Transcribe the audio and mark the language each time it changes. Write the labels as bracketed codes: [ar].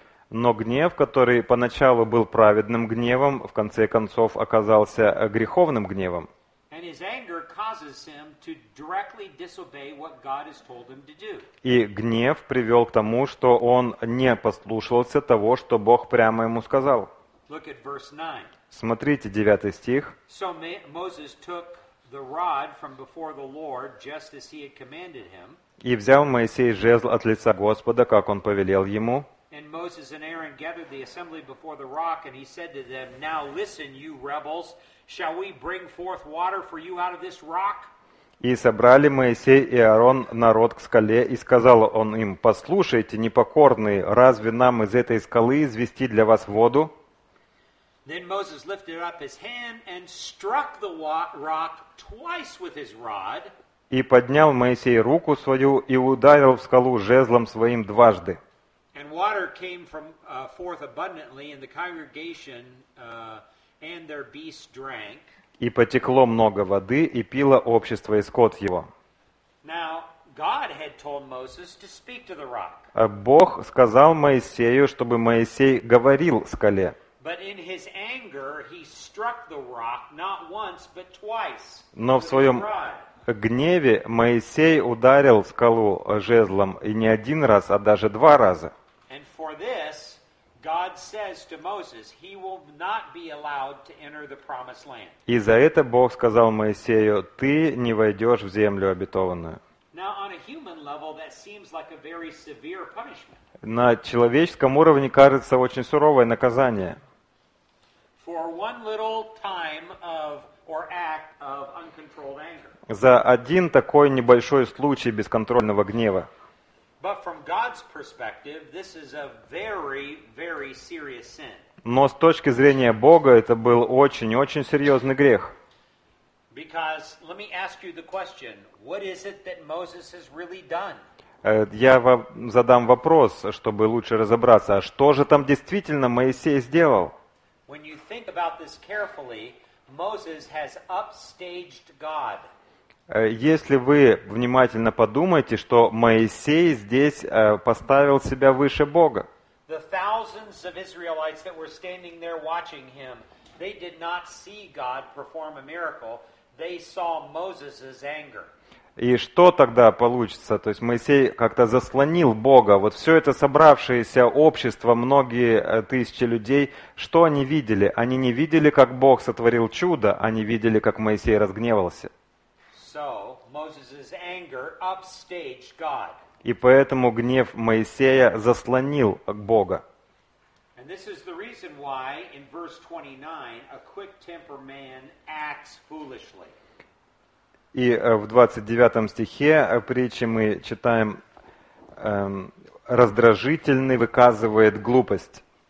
[ru] Но гнев, который поначалу был праведным гневом, в конце концов оказался греховным гневом. [en] And his anger causes him to directly disobey what God has told him to do. [ru] И гнев привел к тому, что он не послушался того, что Бог прямо ему сказал. [en] Look at verse 9. [ru] Смотрите 9 стих. [en] So Moses took the rod from before the Lord, just as he had commanded him. [ru] И взял Моисей жезл от лица Господа, как он повелел ему. [en] And Moses and Aaron gathered the assembly before the rock, and he said to them, Now listen, you rebels, shall we bring forth water for you out of this rock? [ru] И собрали Моисей и Аарон народ к скале, и сказал он им, Послушайте, непокорные, разве нам из этой скалы извести для вас воду? [en] Then Moses lifted up his hand and struck the rock twice with his rod. [ru] И поднял Моисей руку свою и ударил в скалу жезлом своим дважды. [en] And water came from forth abundantly, and the congregation and their beasts drank. [ru] И потекло много воды, и пило общество и скот его. [en] Now God had told Moses to speak to the rock. [ru] Бог сказал Моисею, чтобы Моисей говорил скале. [en] But in his anger, he struck the rock not once, but twice. [ru] Но в своем гневе Моисей ударил скалу жезлом и не один раз, а даже два раза. [en] And for this, God says to Moses, he will not be allowed to enter the promised land. [ru] И за это Бог сказал Моисею, ты не войдешь в землю обетованную. [en] Now on a human level, that seems like a very severe punishment. [ru] На человеческом уровне кажется очень суровое наказание. [en] For one little time of or act of uncontrolled anger. [ru] За один такой небольшой случай бесконтрольного гнева. [en] But from God's perspective, this is a very, very serious sin. [ru] Но с точки зрения Бога это был очень-очень серьезный грех. [en] Because let me ask you the question: what is it that Moses has really done? [ru] Я вам задам вопрос, чтобы лучше разобраться, а что же там действительно Моисей сделал? [en] When you think about this carefully, Moses has upstaged God. [ru] Если вы внимательно подумаете, что Моисей здесь поставил себя выше Бога. [en] The thousands of Israelites that were standing there watching him, they did not see God perform a miracle. They saw Moses's anger. [ru] И что тогда получится? То есть Моисей как-то заслонил Бога. Вот все это собравшееся общество, многие тысячи людей, что они видели? Они не видели, как Бог сотворил чудо, они видели, как Моисей разгневался. [en] So, Moses's anger upstaged God. [ru] И поэтому гнев Моисея заслонил Бога. [en] And this is the reason why in verse 29 a quick-tempered man acts foolishly. [ru] И в 29 стихе притчи мы читаем, раздражительный выказывает глупость.